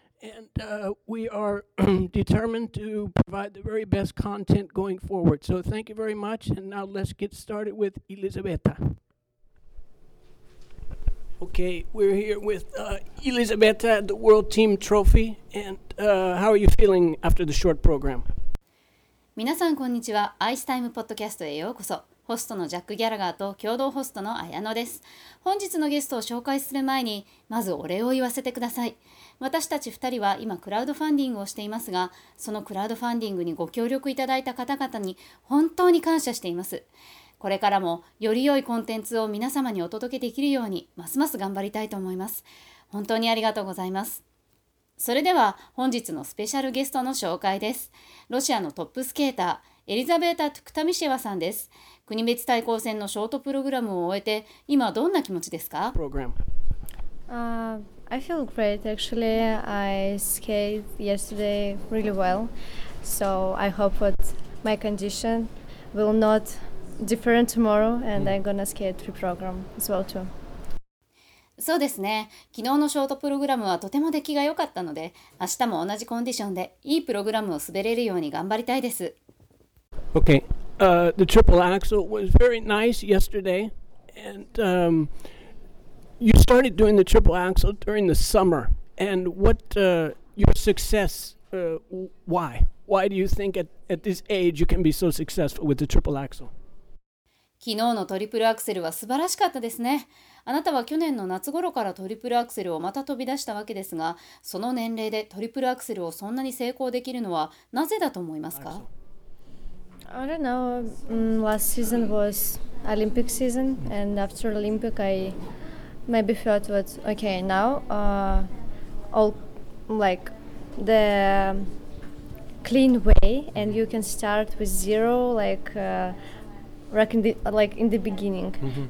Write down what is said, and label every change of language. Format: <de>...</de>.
<en>And we are determined to provide the very best content going forward. So thank you very much. And now let's get started with Elizaveta. Okay, we're here with Elizaveta at the World Team Trophy. And how are you feeling after the short program?</en> <ja>皆さんこんにちは。アイスタイムポッドキャストへようこそ。ホストのジャック・ギャラガーと共同ホストの綾乃です。本日のゲストを紹介する前に、まずお礼を言わせてください。私たち2人は今クラウドファンディングをしていますが、そのクラウドファンディングにご協力いただいた方々に本当に感謝しています。これからもより良いコンテンツを皆様にお届けできるように、ますます頑張りたいと思います。本当にありがとうございます。それでは本日のスペシャルゲストの紹介です。ロシアのトップスケーター、エリザベータ・トゥクタミシェワさんです。国別対抗戦のショートプログラムを終えて、今どんな気持ちですか？プログラム。</ja> <en>I feel great actually. I skate yesterday really well. So I hope that my condition will not differ tomorrow and I'm gonna skate reprogram as well too.</en> <ja>そうですね。昨日のショートプログラムはとても出来が良かったので、明日も同じコンディションでいいプログラムを滑れるように頑張りたいです。</ja> <en>Okay. The triple axel was very nice yesterday. And you started doing the triple axel during the summer. And what your success, why? Why do you think at this age you can be so successful with the triple axel?</en> <ja>昨日のトリプルアクセルは素晴らしかったですね。あなたは去年の夏頃からトリプルアクセルをまた飛び出したわけですが、その年齢でトリプルアクセルをそんなに成功できるのはなぜだと思いますか？</ja> <en>I don't know. Last season was Olympic season, and after Olympic, I maybe felt that okay, now all like the clean way, and you can start with zero, in the beginning, mm-hmm.</en>